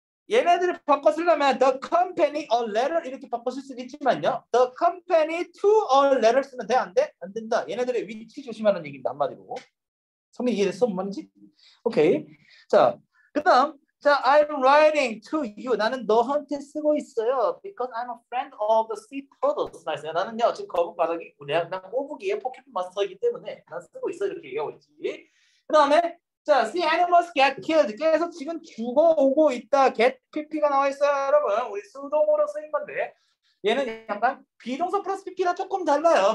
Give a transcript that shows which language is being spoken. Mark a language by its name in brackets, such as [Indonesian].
[Korean] 얘네들을 바꿔 쓰려면 [English] the company a letter [Korean] 이렇게 바꿔 쓸 수 있지만요. [English] the company to a letter [Korean] 쓰면 돼? 안 돼? 안 된다. 얘네들의 위치 조심하는 얘기입니다. 한마디로. 성민이 이해됐어? 뭔지? 오케이. [English] 자, 그 다음. 자, I'm writing to you. [Korean] 나는 너한테 쓰고 있어요. [English] Because I'm a friend of the sea turtles. [Korean] 나 있어요. 나는요 지금 거북바닥이 그냥 난 꼬부기의 포켓몬 마스터이기 때문에 난 쓰고 있어 이렇게 얘기하고 있지. 그 다음에 자, [English] sea animals get killed. [Korean] 계속 지금 죽어오고 있다. get pp가 나와 있어요. 여러분 우리 수동으로 쓰인 건데 얘는 약간 비동사 플러스 pp랑 조금 달라요.